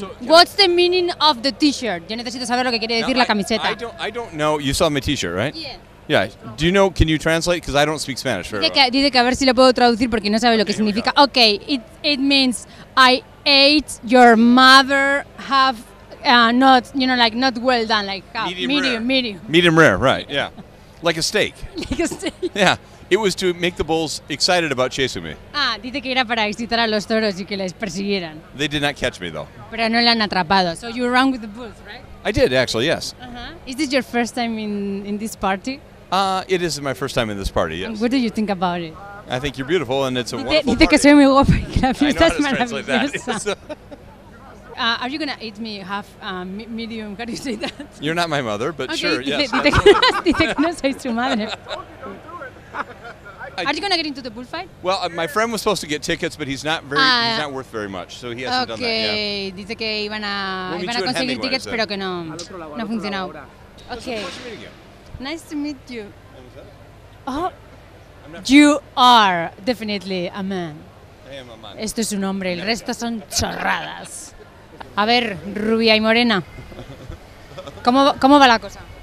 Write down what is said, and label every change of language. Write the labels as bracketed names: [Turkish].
[English] So, what's the meaning of the T-shirt? [Spanish] Yo necesito saber lo que quiere decir la camiseta. [English] I don't know. You saw my T-shirt, right? Yeah. Yeah. Do you know? Can you translate? Because I don't speak Spanish very well. [Spanish] Dice que a ver si lo puedo traducir porque no sabe lo que significa. [English] Okay. It means I ate your mother half. Not, you know, like not well done, like medium rare, right? Yeah, like a steak. Like a steak. Yeah, it was to make the bulls excited about chasing me. [Spanish] Ah, dice que era para excitar a los toros y que les persiguieran. [English] They did not catch me though. [Spanish] Pero no le han atrapado. [English] So you ran with the bulls, right? I did actually, yes. Is this your first time in this party? It is my first time in this party. Yes. And what do you think about it? I think you're beautiful and it's a [Spanish] dice, [English] wonderful. [Spanish] Dice [English] party. [Spanish] Que soy muy guapa y que la fiesta es maravillosa. [English] Are you going to eat me half medium? How do you say that? You're not my mother, but okay, sure, yes. [Spanish] Dice que no soy su madre. [English] Are you going to get into the bullfight? Well, my friend was supposed to get tickets, but he's not worth very much, so he hasn't okay. done that. [Spanish] Dice que iban a conseguir tickets, pero que no funcionó. [English] Okay. Nice to meet you. Oh, you are definitely a man. I am a man. [Spanish] Esto es un hombre, el resto son chorradas. A ver, rubia y morena, ¿cómo va la cosa?